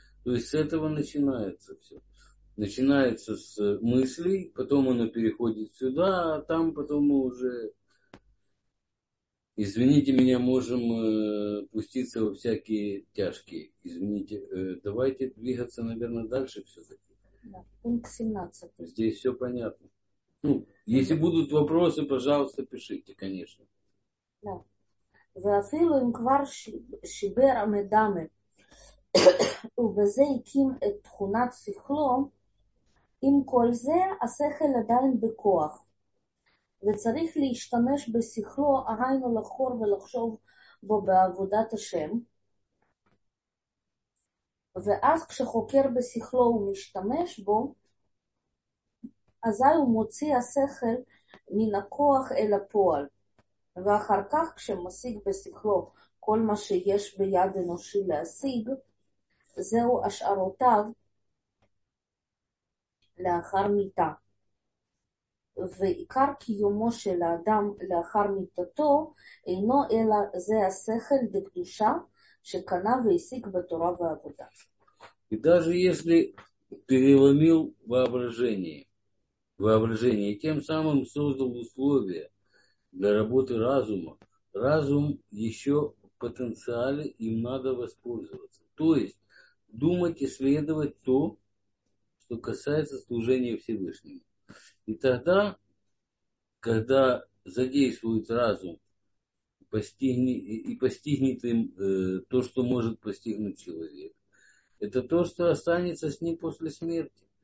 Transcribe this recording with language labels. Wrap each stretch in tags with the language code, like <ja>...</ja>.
<ru>То есть с этого начинается все. Начинается с мыслей, потом оно переходит сюда, а там потом мы уже, извините меня, можем пуститься во всякие тяжкие. Извините, давайте двигаться, наверное, дальше все-таки. Да, пункт 17. Здесь все понятно. Ну, если будут вопросы, пожалуйста, пишите, конечно. Да.</ru> <he>ואפילו אם כבר שיבר המדמה ובזה הקים את תכונת שכלו, עם כל זה השכל עדיין בכוח. וצריך להשתמש בשכלו, היינו לחור ולחשוב בו בעבודת השם. ואז כשחוקר בשכלו ומשתמש בו, אזי הוא מוציא השכל מן הכוח אל הפועל. ואחר כך כשמשיג בשכלו כל מה שיש ביד אנושי להשיג, זהו השערותיו לאחר מיתה. ועיקר קיומו של האדם לאחר מיתתו אינו אלא זה השכל בקדושה שקנה והשיג בתורה ועבודה. ודאז'ה יש לי פרילומיל ואברז'ני. ואברז'ני, כן שמה מסוזל וסלוביה.</he> <ru>Для работы разума. Разум еще в потенциале, им надо воспользоваться. То есть думать и следовать то, что касается служения Всевышнему. И тогда, когда задействует разум постигнет им то, что может постигнуть человек, это то, что останется с ним после смерти.</ru>